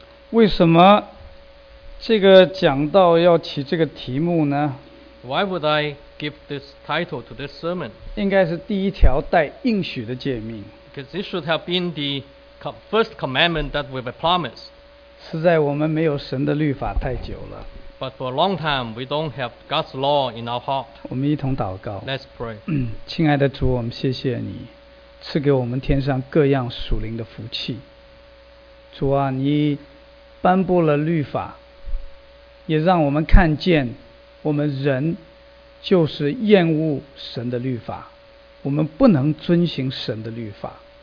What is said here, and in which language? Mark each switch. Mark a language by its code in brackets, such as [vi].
[zh] 为什么这个讲道要起这个题目呢？ [en] Why would I give this title to this sermon? [zh] 应该是第一条带应许的诫命。 [en] Because this should have been the first commandment that we have promised. [zh] 实在我们没有神的律法太久了。 [en] But for a long time, we don't have God's law in our heart. [zh] 我们一同祷告。 [en] Let's pray. [zh] 亲爱的主，我们谢谢你，赐给我们天上各样属灵的福气。主啊，你颁布了律法，也让我们看见我们人就是厌恶神的律法，我们不能遵行神的律法。